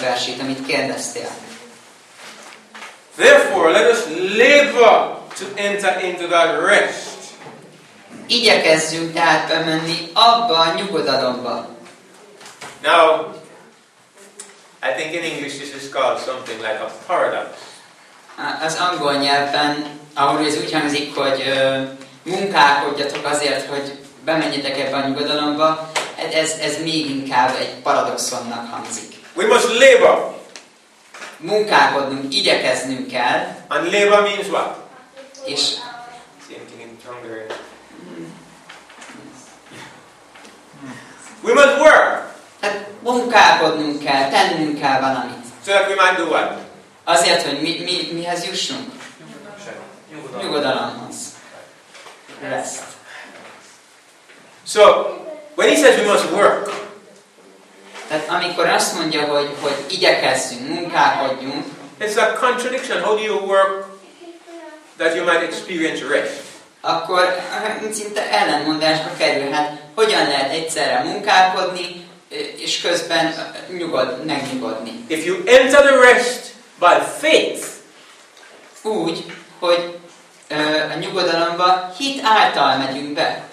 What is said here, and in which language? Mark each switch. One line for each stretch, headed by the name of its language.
Hungarian: Versét, amit kérdeztél.
English: Therefore, let us labor to enter into that rest.
Hungarian: Igyekezzünk tehát bemenni abba a nyugodalomba.
English: Now, I think in English this is called something like a paradox.
Hungarian: Az angol nyelven, ahol ez úgy hangzik, hogy munkálkodjatok azért, hogy bemenjetek ebbe a nyugodalomba, ez még inkább egy paradoxonnak hangzik.
English: We must labor.
Hungarian: Munkálkodnunk, igyekeznünk kell.
English: And labor means what?
Hungarian: És...
English: Same thing in Hungary. We must work.
Hungarian: Tehát munkálkodnunk kell, tennünk kell valamit.
English: So that we might do what?
Hungarian: Azért, hogy mihez jussunk? Nyugodalomhoz.
English: Rest. So, when he says we must work,
Hungarian: tehát amikor azt mondja, hogy igyekezzünk, munkálkodjunk.
English: It's a contradiction. How do you work that you might experience rest?
Hungarian: Akkor szinte ellenmondásba kerülhet. Hogyan lehet egyszerre munkálkodni és közben megnyugodni?
English: If you enter the rest by faith,
Hungarian: úgy, hogy a nyugodalomba hit által megyünk be.